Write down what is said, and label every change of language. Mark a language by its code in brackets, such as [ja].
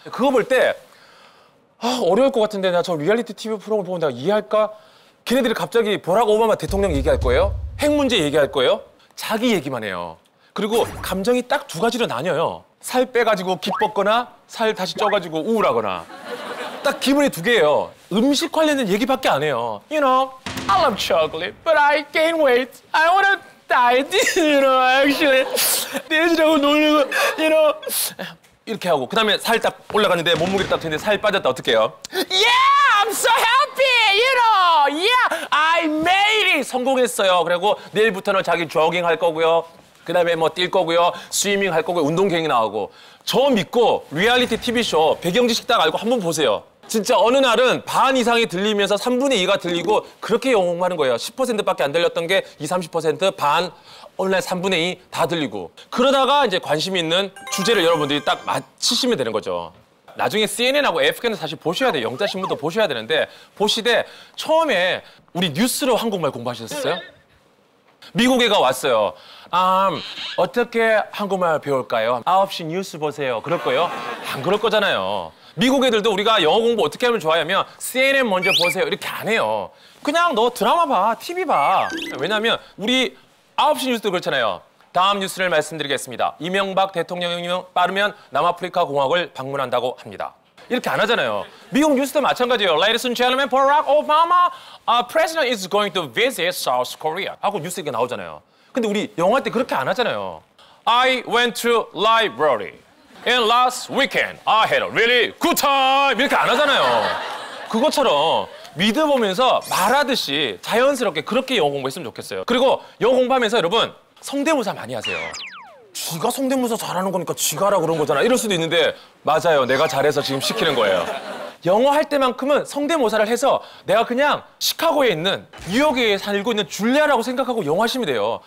[ko] 그거 볼 때 아, 어려울 것 같은데 나 저 리얼리티 TV 프로그램 보면 내가 이해할까? 걔네들이 갑자기 보라고 오바마 대통령 얘기할 거예요? 핵 문제 얘기할 거예요? 자기 얘기만 해요. 그리고 감정이 딱 두 가지로 나뉘어요. 살 빼가지고 기뻤거나 살 다시 쪄가지고 우울하거나 딱 기분이 두 개예요. 음식 관련된 얘기밖에 안 해요. [en] You know, I love chocolate, but I gain weight. I wanna... I did, you know, actually. [ko] 돼지라고 놀리고, [en] you know. [ko] 이렇게 하고, 그 다음에 살 딱 올라갔는데, 몸무게 딱 됐는데, 살 빠졌다, 어떡해요? [en] Yeah, I'm so happy, you know. Yeah, I made it. [ko] 성공했어요. 그리고 내일부터는 자기 조깅 할 거고요. 그 다음에 뭐 뛸 거고요. 스위밍 할 거고요. 운동 계획이 나오고. 저 믿고, 리얼리티 TV쇼, 배경 지식 딱 알고 한번 보세요. 진짜 어느 날은 반 이상이 들리면서 3분의 2가 들리고 그렇게 영웅하는 거예요. 10%밖에 안 들렸던 게 20, 30% 반, 오늘날 3분의 2 다 들리고. 그러다가 이제 관심 있는 주제를 여러분들이 딱 맞히시면 되는 거죠. 나중에 CNN하고 AFK는 사실 보셔야 돼요. 영자신문도 보셔야 되는데 보시되 처음에 우리 뉴스로 한국말 공부하셨어요? 미국 애가 왔어요. 어떻게 한국말 배울까요? 9시 뉴스 보세요. 그럴 거예요? 안 그럴 거잖아요. 미국 애들도 우리가 영어 공부 어떻게 하면 좋아하냐면 CNN 먼저 보세요 이렇게 안 해요. 그냥 너 드라마 봐, TV 봐. 왜냐하면 우리 9시 뉴스도 그렇잖아요. 다음 뉴스를 말씀드리겠습니다. 이명박 대통령이 빠르면 남아프리카 공화국을 방문한다고 합니다. 이렇게 안 하잖아요. 미국 뉴스도 마찬가지예요. [en] Ladies and gentlemen, Barack Obama, President is going to visit South Korea [ko] 하고 뉴스 이렇게 나오잖아요. 근데 우리 영화 때 그렇게 안 하잖아요. [en] I went to library. And last weekend, I had a really good time! [ko] 이렇게 안 하잖아요. 그것처럼 믿어보면서 말하듯이 자연스럽게 그렇게 영어 공부했으면 좋겠어요. 그리고 영어 공부하면서 여러분 성대모사 많이 하세요. 쥐가 성대모사 잘하는 거니까 쥐가 하라 그런 거잖아. 이럴 수도 있는데 맞아요. 내가 잘해서 지금 시키는 거예요. 영어 할 때만큼은 성대모사를 해서 내가 그냥 시카고에 있는 뉴욕에 살고 있는 줄리아라고 생각하고 영어하시면 돼요.